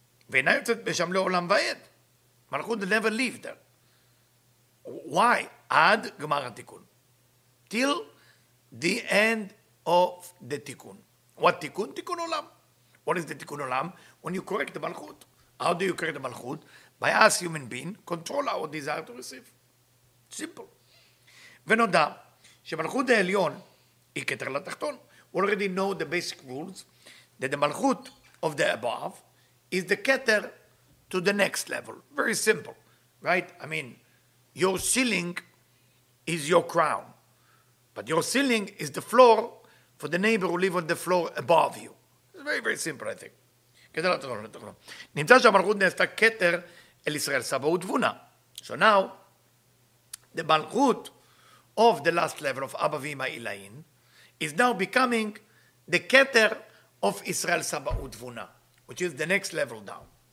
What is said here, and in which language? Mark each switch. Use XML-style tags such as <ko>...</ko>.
<he>Ve'ina yotzet b'sham le'olam v'ed.</he> <en>Malchut never lived there. Why?</en> <he>Ad gemar ha'tikun.</he> <en>Till the end of the tikun. What tikun? Tikun olam. What is the tikun olam? When you correct the malchut. How do you correct the malchut? By us, human being, control our desire to receive. Simple.</en> <he>ונודע שמלכות העליון היא כתר לתחתון.</he> <en>We already know the basic rules that the מלכות of the above is the כתר to the next level. Very simple, right? I mean, your ceiling is your crown. But your ceiling is the floor for the neighbor who live on the floor above you. It's very, very simple, I think.</en> <he>כתר לתחתון. נמצא שהמלכות נעשתה כתר אל ישראל סבא ותבונה.</he> <en>So now, the מלכות of the last level of אבא ואמא אילאין is now becoming the כתר of ישראל סבא ותבונה, which is the next level down.</en>